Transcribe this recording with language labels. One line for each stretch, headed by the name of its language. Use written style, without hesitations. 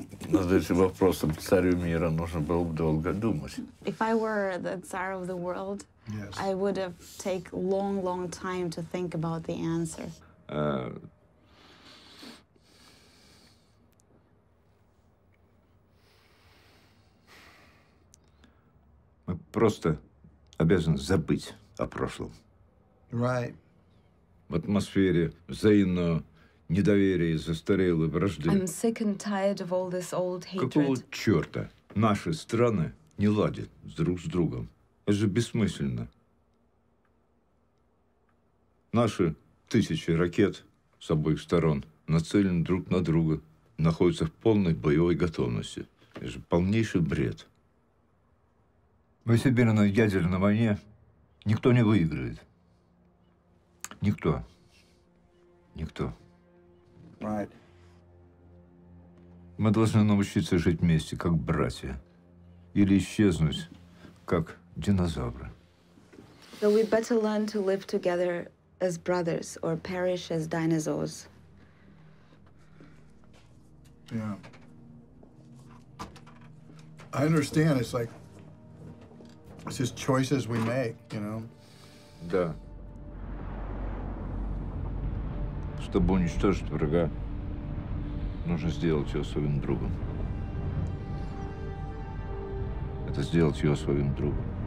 Russian: Значит, вопросом царю мира нужно было бы долго думать.
English: If I were the Tsar of the world, I would have take long, long time to think about the answer.
Russian: Мы просто обязаны забыть о прошлом.
English: Right.
Russian: В атмосфере взаимного недоверия и застарелой вражды.
English: I'm sick and tired of all this old hatred.
Russian: Какого черта? Наши страны не ладят друг с другом. Это же бессмысленно. Наши тысячи ракет с обоих сторон нацелены друг на друга, находятся в полной боевой готовности. Это же полнейший бред. Во всемирной ядерной войне никто не выигрывает. Никто. Никто.
English: Right.
Russian: Мы должны научиться жить вместе, как братья. Или исчезнуть, как динозавры.
English: So we better learn to live together as brothers or perish as dinosaurs. Yeah. I understand. It's like, it's just choices we make, you know?
Russian: Да. Чтобы уничтожить врага, нужно сделать его своим другом. Это сделать его своим другом.